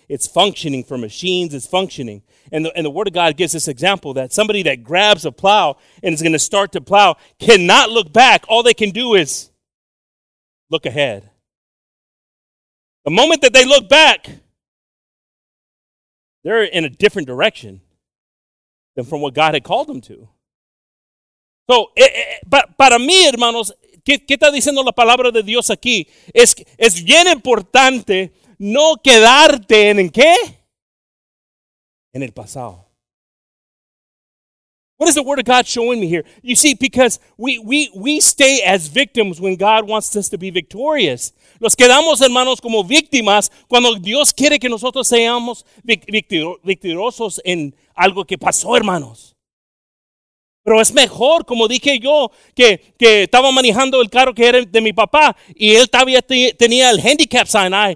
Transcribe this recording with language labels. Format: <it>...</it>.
<en>It's functioning for machines. It's functioning. And the Word of God gives this example that somebody that grabs a plow and is going to start to plow cannot look back. All they can do is look ahead. The moment that they look back, they're in a different direction than from what God had called them to.</en> <es>So, para mí, hermanos, ¿qué está diciendo la palabra de Dios aquí? Es bien importante no quedarte en qué? En el pasado.</es> <en>What is the Word of God showing me here? You see, because we stay as victims when God wants us to be victorious.</en> <es>Nos quedamos, hermanos, como víctimas cuando Dios quiere que nosotros seamos victoriosos en algo que pasó, hermanos. Pero es mejor, como dije yo, que estaba manejando el carro que era de mi papá y él todavía tenía el</es> <en>handicap sign.</en>